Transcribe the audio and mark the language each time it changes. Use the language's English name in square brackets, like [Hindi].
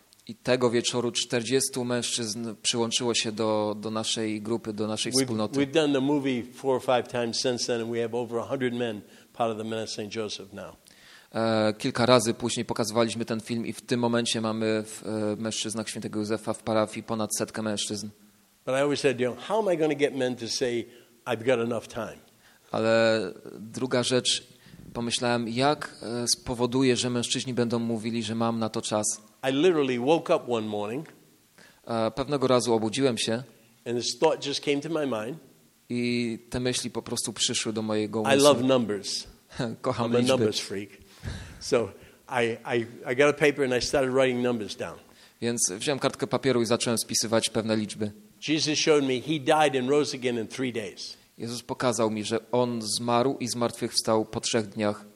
[Polish] I tego wieczoru 40 mężczyzn przyłączyło się do naszej grupy, do naszej wspólnoty. [English] We've done the movie 4 or 5 times since then and we have over 100 men part of the Men of St. Joseph now. [Polish] Kilka razy później pokazywaliśmy ten film i w tym momencie mamy w mężczyznach Świętego Józefa w parafii ponad 100 mężczyzn. [English] But I always said, you know, how am I going to get men to say I've got enough time? [Polish] Ale druga rzecz, pomyślałem, jak spowoduję, że mężczyźni będą mówili, że mam na to czas. [English] I literally woke up one morning. [Polish] Pewnego razu obudziłem się. [English] And this thought just came to my mind. [Polish] I te myśli po prostu przyszły do mojego umysłu. [English] I love numbers. [Polish] Kocham [English] I'm [Polish] liczby. [English] A numbers freak. So I got a paper and I started writing numbers down. [Polish] Więc wziąłem kartkę papieru i zacząłem spisywać pewne liczby. [English] Jesus showed me he died and rose again in 3 days. [Polish] Jezus pokazał mi, że on zmarł i zmartwychwstał po 3 dniach.